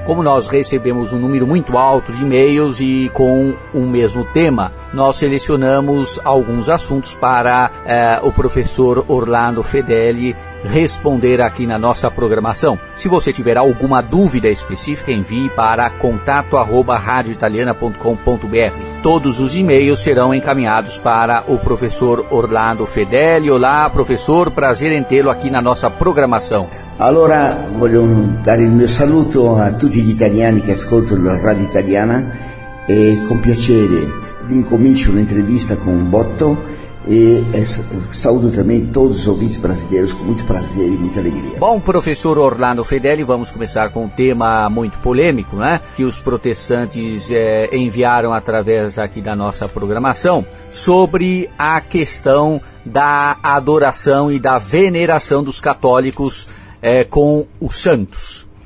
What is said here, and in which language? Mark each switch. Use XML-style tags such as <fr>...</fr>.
<pt>Como nós recebemos um número muito alto de e-mails e com o mesmo tema, nós selecionamos alguns assuntos para o professor Orlando Fedeli responder aqui na nossa programação. Se você tiver alguma dúvida específica, envie para contato@radioitaliana.com.br. Todos os e-mails serão encaminhados para o professor Orlando Fedeli. Olá, professor, prazer em tê-lo aqui na nossa programação.</pt> <it>Allora, voglio dare il mio saluto a tutti gli italiani che ascoltano la Radio Italiana e con piacere vi incomincio un'intervista con un botto.</it> <pt>E saúdo também todos os ouvintes brasileiros com muito prazer e muita alegria. Bom, professor Orlando Fedeli, vamos começar com um tema muito polêmico, né? Que os protestantes enviaram através aqui da nossa programação sobre a questão da adoração e da veneração dos católicos com os santos.</pt>